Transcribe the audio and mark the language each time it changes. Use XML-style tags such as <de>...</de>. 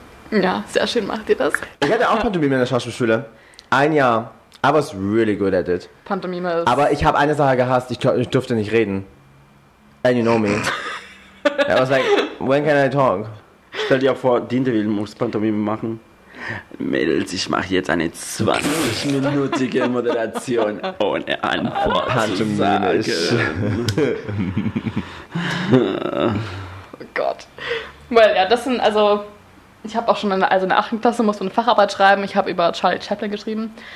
<de>Ja, sehr schön macht ihr das. Ich hatte auch Pantomime in der Schauspielschule. Ein Jahr.</de> <en>I was really good at it.</en> <de>Pantomime ist... Aber ich habe eine Sache gehasst, ich durfte nicht reden.</de> <en>And you know me. I was like, when can I talk?</en> <de>Stell dir vor, Dinteville muss Pantomime machen. Mädels, ich mache jetzt eine 20-minütige Moderation ohne Antwort. Pantomime ist... Oh Gott. Well, ja, das sind also... Ich habe auch schon in der, also in der 8. Klasse musste eine Facharbeit schreiben. Ich habe über Charlie Chaplin geschrieben.</de>